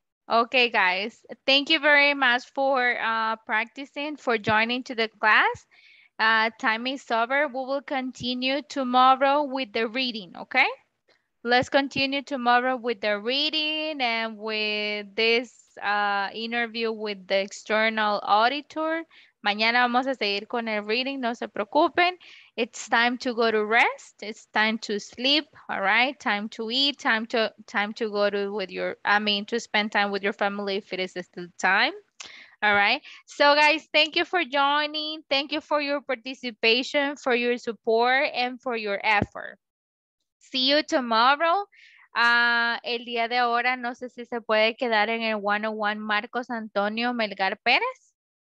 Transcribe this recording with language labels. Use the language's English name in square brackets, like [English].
[English] Okay guys, thank you very much for practicing, for joining to the class. Time is over, we will continue tomorrow with the reading, okay? Let's continue tomorrow with the reading and with this interview with the external auditor. [Spanish] Mañana vamos a seguir con el reading, no se preocupen. [English] It's time to go to rest. It's time to sleep. All right. Time to eat. Time to go to with your, I mean, to spend time with your family if it is still time. All right. So guys, thank you for joining. Thank you for your participation, for your support, and for your effort. See you tomorrow. [Spanish] El día de ahora, no sé si se puede quedar en el 101 Marcos Antonio Melgar Pérez.